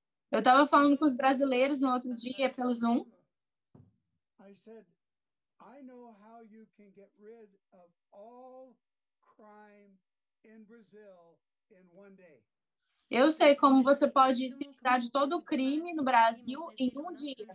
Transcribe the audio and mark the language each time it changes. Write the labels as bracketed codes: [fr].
[pt] Eu estava falando com os brasileiros no outro dia pelo Zoom. [en] I said, I know how you can get rid of all crime in Brazil in one day. [pt] Eu sei como você pode se livrar de todo o crime no Brasil em um dia.